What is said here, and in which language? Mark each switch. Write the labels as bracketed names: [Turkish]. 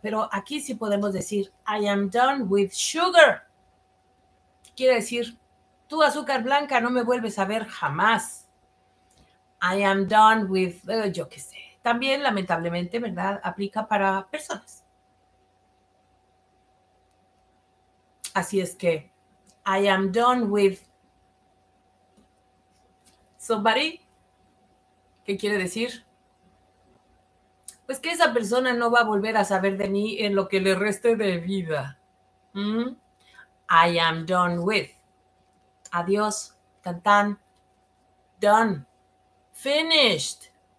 [Spanish] Pero aquí sí podemos decir, [English] I am done with sugar. [Spanish] Quiere decir, tú azúcar blanca no me vuelves a ver jamás. [English] I am done with, [Spanish] yo qué sé. También, lamentablemente, ¿verdad? Aplica para personas. Así es que, [English] I am done with somebody. [Spanish] ¿Qué quiere decir? Pues que esa persona no va a volver a saber de mí en lo que le reste de vida. [English] I am done with. [Spanish] Adiós. Tan, tan. [English] Done. Finished.